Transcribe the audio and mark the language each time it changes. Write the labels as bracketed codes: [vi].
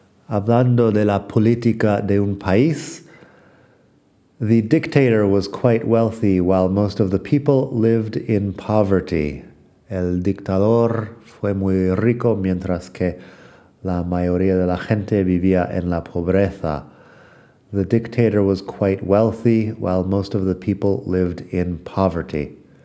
[es] Hablando de la política de un país, [en] the dictator was quite wealthy while most of the people lived in poverty. [es] El dictador fue muy rico mientras que la mayoría de la gente vivía en la pobreza. [en] The dictator was quite wealthy while most of the people lived in poverty.